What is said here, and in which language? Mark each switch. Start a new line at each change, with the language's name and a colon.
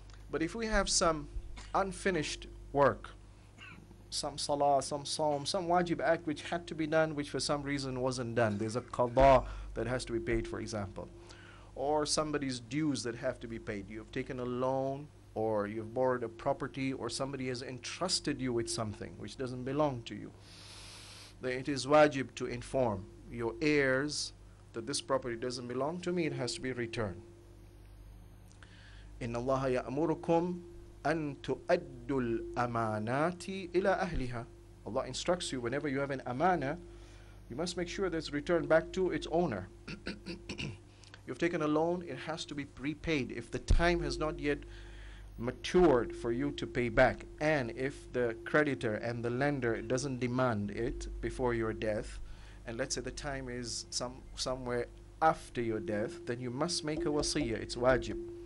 English: But if we have some unfinished work, some salah, some psalm, some wajib act which had to be done, which for some reason wasn't done, there's a qadha that has to be paid, for example, or somebody's dues that have to be paid, you've taken a loan or you've borrowed a property, or somebody has entrusted you with something which doesn't belong to you, then it is wajib to inform your heirs that this property doesn't belong to me, it has to be returned.
Arabic: Inna Allaha ya'murukum أن تؤدوا الأمانات إلى أهلها.
English: Allah instructs you, whenever you have an amana, you must make sure that it's returned back to its owner. You've taken a loan, it has to be prepaid. If the time has not yet matured for you to pay back, and if the creditor and the lender doesn't demand it before your death, and let's say the time is somewhere after your death, then you must make a wasiyya, it's wajib.